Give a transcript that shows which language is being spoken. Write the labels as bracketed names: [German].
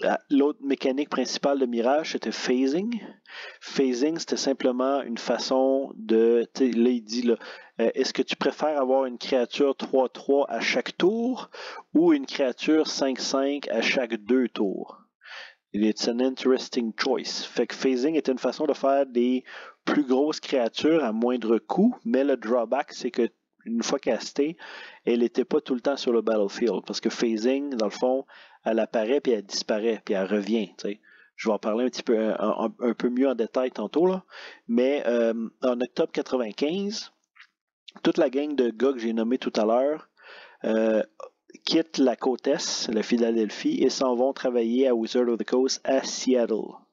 [French] L'autre mécanique principale de Mirage, c'était Phasing. Phasing, c'était simplement une façon de... Là, il dit, là, est-ce que tu préfères avoir une créature 3-3 à chaque tour ou une créature 5-5 à chaque deux tours? [English] It's an interesting choice. [French] Fait que Phasing était une façon de faire des plus grosses créatures à moindre coût, mais le drawback, c'est que une fois castée, elle n'était pas tout le temps sur le battlefield, parce que Phasing, dans le fond, elle apparaît, puis elle disparaît, puis elle revient. T'sais. Je vais en parler un petit peu, un peu mieux en détail tantôt. Là. Mais en octobre 95, toute la gang de gars que j'ai nommé tout à l'heure quitte la côte Est, la Philadelphie, et s'en vont travailler à Wizard of the Coast à Seattle.